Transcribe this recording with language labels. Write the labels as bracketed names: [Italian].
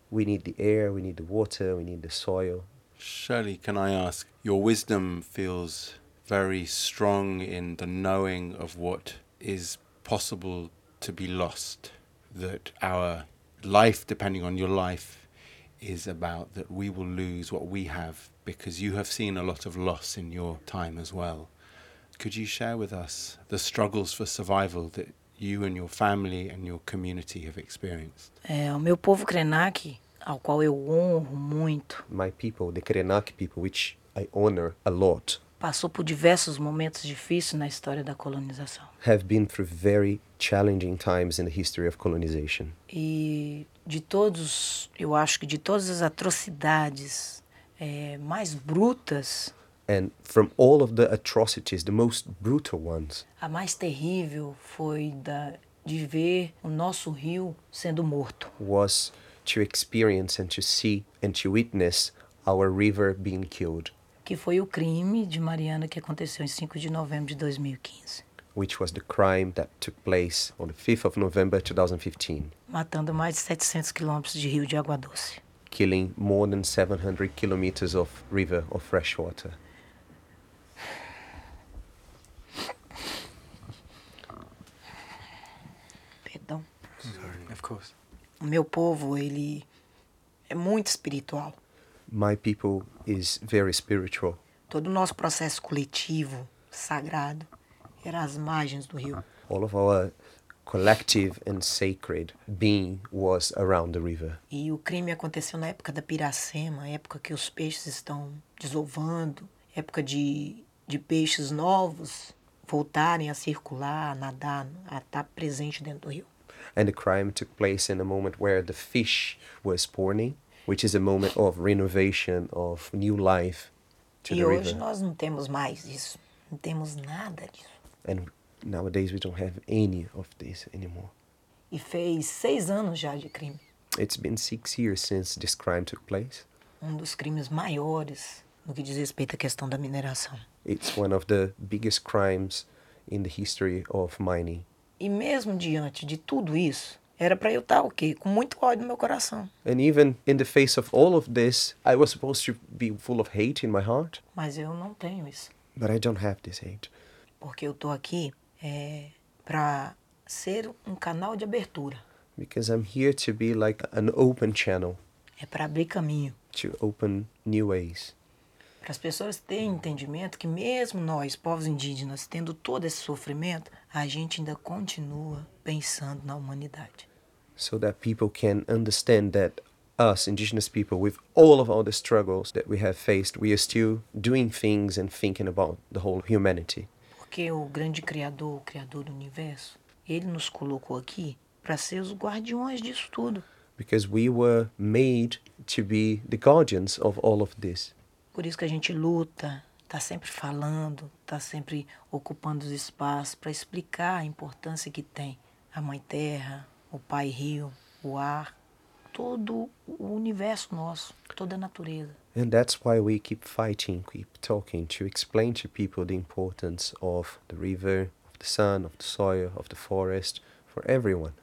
[English] We need the air, we need the water, we need the soil. Shirley, can I ask, your wisdom feels very strong in the knowing of what is possible to be lost, that our life, depending on your life, is about that we will lose what we have, because you have seen a lot of loss in your time as well. Could you share with us the struggles for survival that you and your family and your community have experienced? [Portuguese] O meu povo Krenak, ao qual eu honro muito. [English] My people, the Krenak people, which I honor a lot. [Portuguese] Passou por diversos momentos difíceis na história da colonização. [English] Have been through very challenging times in the history of colonization. [Portuguese] E de todos, eu acho que de todas as atrocidades mais brutas. [English] And from all of the atrocities, the most brutal ones. [Portuguese] A mais terrível foi de ver o nosso rio sendo morto. [English] Was to experience and to see and to witness our river being killed. [Portuguese] Que foi o crime de Mariana que aconteceu em 5 de novembro de 2015. [English] Which was the crime that took place on the 5th of November 2015. [Portuguese] Matando mais de 700 quilômetros de rio de água doce. [English] Killing more than 700 kilometers of river of fresh water. [Portuguese] Perdão. [English] Sorry. Of course. [Portuguese] O meu povo, ele é muito espiritual. [English] My people is very spiritual. [Portuguese] Todo o nosso processo coletivo, sagrado, era às margens do rio. [English] All of our collective and sacred being was around the river. [Portuguese] E o crime aconteceu na época da Piracema, época que os peixes estão desovando, época de peixes novos voltarem a circular, a nadar, a estar presente dentro do rio. [English] And the crime took place in a moment where the fish was spawning, which is a moment of renovation, of new life to the river. [Portuguese] E hoje nós não temos mais isso. Não temos nada disso. [English] And nowadays we don't have any of this anymore. [Portuguese] E fez 6 anos já de crime. [English] It's been 6 years since this crime took place. [Portuguese] Um dos crimes maiores no que diz respeito à questão da mineração. [English] It's one of the biggest crimes in the history of mining. [Portuguese] E mesmo diante de tudo isso, era para eu estar o quê? Com muito ódio no meu coração. [English] And even in the face of all of this, I was supposed to be full of hate in my heart. [Portuguese] Mas eu não tenho isso. [English] But I don't have this hate. [Portuguese] Porque eu tô aqui para ser um canal de abertura. [English] Because I'm here to be like an open channel. [Portuguese] É para abrir caminho. [English] To open new ways. [Portuguese] Para as pessoas terem entendimento que mesmo nós, povos indígenas, tendo todo esse sofrimento, a gente ainda continua pensando na humanidade. [English] So that people can understand that us, indigenous people, with all of all the struggles that we have faced, we are still doing things and thinking about the whole humanity. [Portuguese] Porque o grande criador, o criador do universo, ele nos colocou aqui para ser os guardiões disso tudo. [English] Because we were made to be the guardians of all of this. [Portuguese] Por isso que a gente luta, está sempre falando, está sempre ocupando os espaços para explicar a importância que tem a Mãe Terra, o Pai Rio, o ar, todo o universo nosso, toda a natureza. [English] And that's why we keep fighting, keep talking, to explain to people the importance of the river, of the sun, of the soil, of the forest, for everyone.